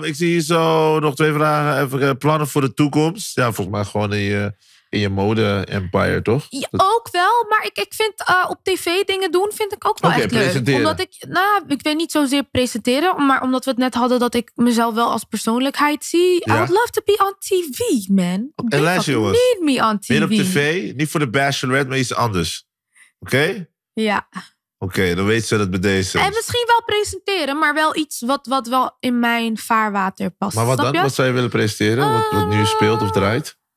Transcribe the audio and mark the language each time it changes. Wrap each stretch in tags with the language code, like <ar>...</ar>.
<nl>Ik zie hier zo nog twee vragen. Even plannen voor de toekomst. Ja, volgens mij gewoon in je mode-empire, toch? Ja, ook wel, maar ik vind op tv dingen doen vind ik ook wel echt leuk. Presenteren. Omdat ik weet niet zozeer presenteren, maar omdat we het net hadden dat ik mezelf wel als persoonlijkheid zie. Ja.</nl> <en>I would love to be on TV, man.</en> <nl>En luister, jongens.</nl> <en>Need me on TV.</en> <nl>Meer op tv, niet voor de Bachelorette, maar iets anders. Oké? Ja. Oké, dan weet ze dat bij deze. En misschien wel presenteren, maar wel iets wat wel in mijn vaarwater past. Maar wat dan? Je? Wat zou je willen presenteren? Wat nu speelt of draait?</nl>